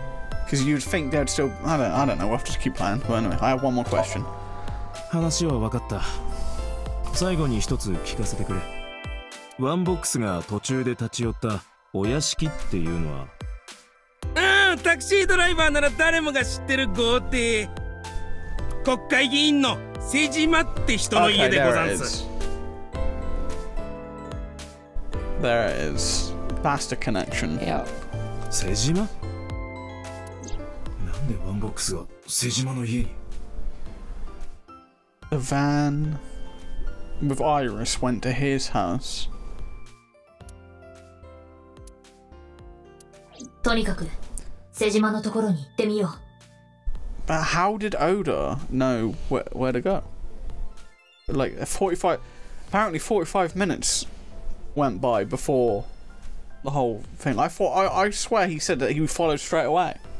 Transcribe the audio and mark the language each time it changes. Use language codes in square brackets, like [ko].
[en] Because you'd think they'd still... I don't know, we'll have to keep playing. But anyway, I have one more question. I've understood the story. Let me tell you one thing. The one box that was in the middle of the house, the house? [ja] タクシードライバーなら誰もが知ってる豪邸、国会議員の瀬島って人の家でござんす。 [en] There it is. That's the connection. Yep. [ja] 瀬島？なんでワンボックスが瀬島の家に？ [en] The van with Iris went to his house. [ja] とにかく瀬島のところに行ってみよう。 [en] But how did Oda know where to go? Like, 45... Apparently 45 minutes went by before the whole thing. I thought... I swear he said that he would follow straight away.